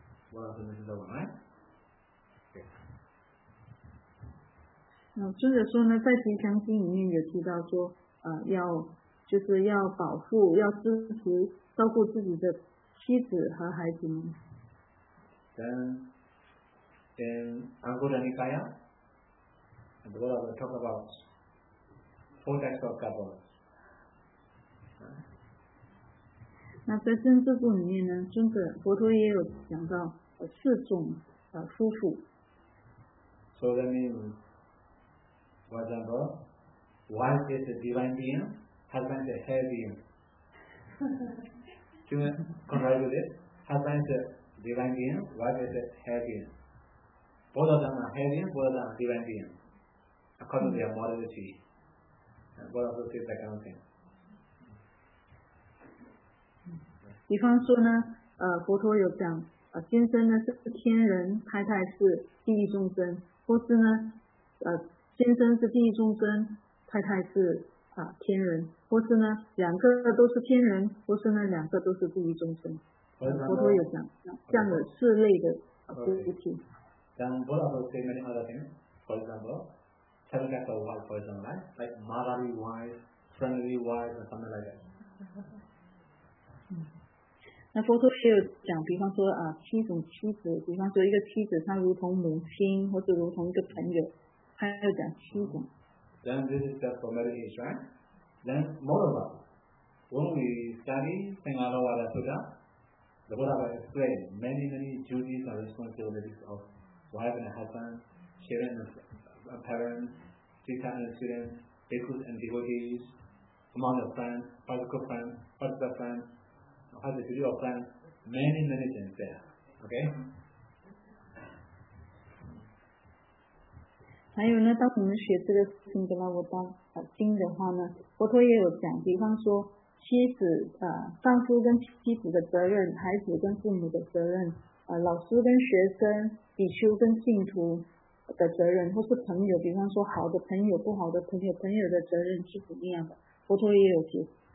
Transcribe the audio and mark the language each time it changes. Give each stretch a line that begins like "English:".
English: What is the one, right?
Chinese: 尊者说呢，在吉祥经里面有提到说，要就是要保护，要支持，照顾自己的妻子和孩子们。
English: Then, in Anguttara Nikaya, the Buddha will talk about four types of couples.
Chinese: 那在《生智部》里面呢，尊者佛陀也有讲到四种夫妇。
English: So that means, for example, wife is a divine being, husband is a hell being. Do you contrast with it? Husband is a divine being, wife is a hell being. Both of them are hell being, both of them are divine being. According to their morality, both of them say that kind of thing.
Chinese: 比方说呢，佛陀有讲，先生呢是天人，太太是地狱众生，或是呢，先生是地狱众生，太太是天人，或是呢，两个都是天人，或是呢，两个都是地狱众生。佛陀有讲这样的四类的夫妻。
English: Okay. Then Buddha also say many other things. For example, seven types of wives, for example, right? Like motherly wives, friendly wives, or something like that.
Chinese: 那佛陀也有讲，比方说七种妻子，比方说一个妻子她如同母亲，或者如同一个朋友，他要讲七种。
English: Then this is just for marriage, right? Then moreover, when we study Singhalawada Sutta, the Buddha will explain many, many duties and responsibilities of wife and husband, children and parents, teacher and students, bhikkhus and devotees, among the friends, particular friends, particular friends. Has the video of plan many many things there. Okay.
Chinese: 还有呢，当我们学这个《辛格拉沃达经》的话呢，佛陀也有讲，比方说妻子丈夫跟妻子的责任，孩子跟父母的责任，老师跟学生，比丘跟信徒的责任，或是朋友，比方说好的朋友、不好的朋友，朋友的责任是怎么样的，佛陀也有解释。